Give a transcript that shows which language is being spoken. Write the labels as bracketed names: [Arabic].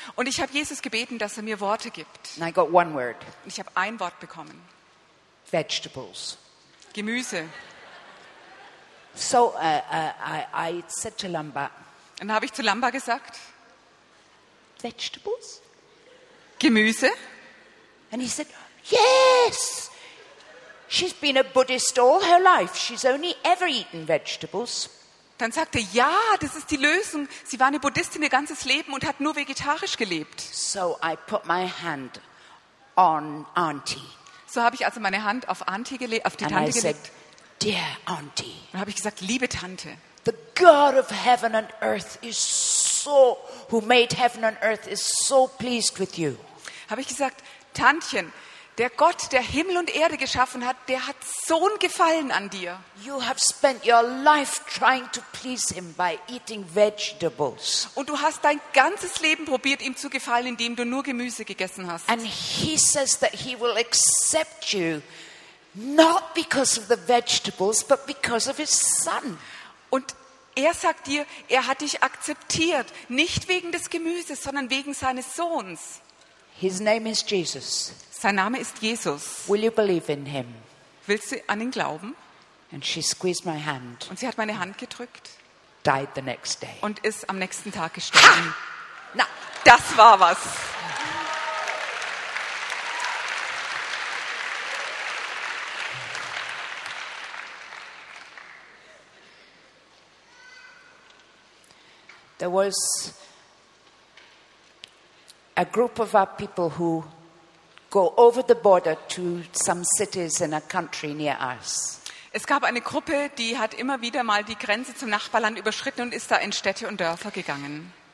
[German] Und ich habe Jesus gebeten, dass er mir Worte gibt. [English] And I got one word. [German] Ich habe ein Wort bekommen. [English] Vegetables. [German] Gemüse. [English] So I said to Lamba. [German] Dann habe ich zu Lamba gesagt. [English] Vegetables? [German] Gemüse. [English] And he said, yes! She's been a Buddhist all her life. She's only ever eaten vegetables. [German] Dann sagte er, ja, das ist die Lösung. Sie war eine Buddhistin ihr ganzes Leben und hat nur vegetarisch gelebt. [English] So I put my hand on Auntie. [German] So habe ich also meine Hand auf Auntie gelegt, auf die [English] and [German] Tante [English] I [German] gelegt. [English] Said, dear Auntie. [German] Dann habe ich gesagt, liebe Tante. [English] The God of heaven and earth is so, who made heaven and earth is so pleased with you. [German] Habe ich gesagt, Tantchen, der Gott, der Himmel und Erde geschaffen hat, der hat so einen Gefallen an dir. [English] You have spent your life trying to please him by eating vegetables. [German] Und du hast dein ganzes Leben probiert, ihm zu gefallen, indem du nur Gemüse gegessen hast. [English] And he says that he will accept you not because of the vegetables, but because of his son. [German] Und er sagt dir, er hat dich akzeptiert, nicht wegen des Gemüses, sondern wegen seines Sohns. [English] His name is Jesus. [German] Sein Name ist Jesus. [English] Will you believe in him? [German] Willst du an ihn glauben? [English] And she squeezed my hand. [German] Und sie hat meine Hand gedrückt. [English] Died the next day. [German] Und ist am nächsten Tag gestorben. Ha! Na, das war was. [English] There was a group of our people who go over the border to some cities in a country near us. [German] Es gab eine Gruppe, die hat immer wieder mal die Grenze zum Nachbarland überschritten und ist da in Städte und Dörfer gegangen.